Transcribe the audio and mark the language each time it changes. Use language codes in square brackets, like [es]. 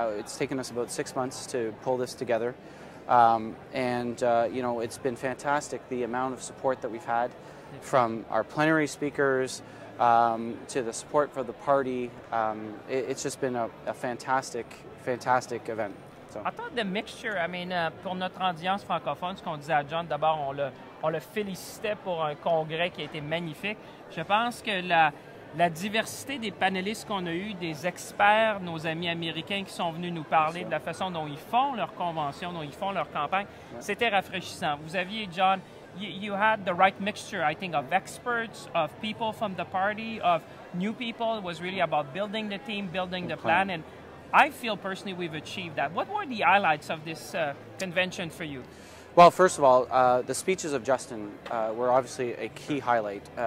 [en] It's taken us about 6 months to pull this together, you know, it's been fantastic, the amount of support that we've had from our plenary speakers. To the support for the party, it's just been a fantastic, fantastic event. So. I thought the mixture, [fr] pour notre audience francophone, ce qu'on disait à John, d'abord, on le félicitait pour un congrès qui a été magnifique. Je pense que la diversité des panélistes qu'on a eu, des experts, nos amis américains qui sont venus nous parler de la façon dont ils font leur convention, dont ils font leur campagne, c'était rafraîchissant. Vous aviez, [en] John, you had the right mixture, I think, of experts, of people from the party, of new people. It was really about building the team, building the plan. And I feel personally we've achieved that. What were the highlights of this convention for you? Well, first of all, the speeches of Justin were obviously a key highlight.